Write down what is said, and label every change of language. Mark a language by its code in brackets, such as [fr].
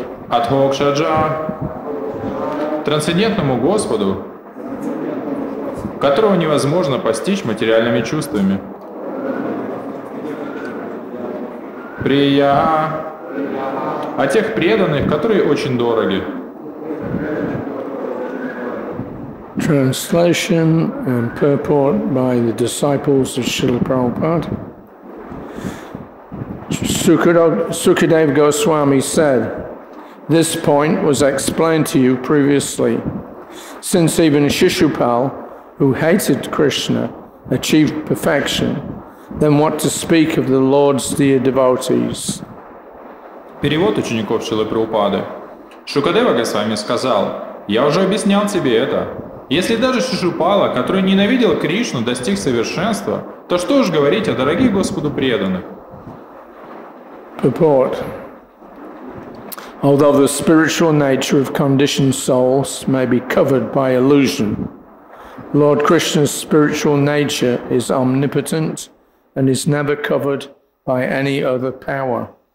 [ru] Атхокшаджа, трансцендентному Господу, которого невозможно постичь материальными чувствами. Прия, о тех преданных, которые очень дороги. [en] Translation and purport by the disciples of Śrīla Prabhupāda. Sukadeva Goswami said, this point was explained to you previously. Since even Shishupal, who hated Krishna, achieved perfection, then what to speak of the Lord's dear devotees? [ru] Перевод учеников Шрилы Прабхупады. Шукадева Госвами сказал, я уже объяснял тебе это. Если даже Шишупала, который ненавидел Кришну, достиг совершенства, то что уж говорить о дорогих Господу преданных? [en] Purport. Although the spiritual nature of conditioned souls may be covered by illusion, Lord Krishna's spiritual nature is omnipotent and is never covered by any other power.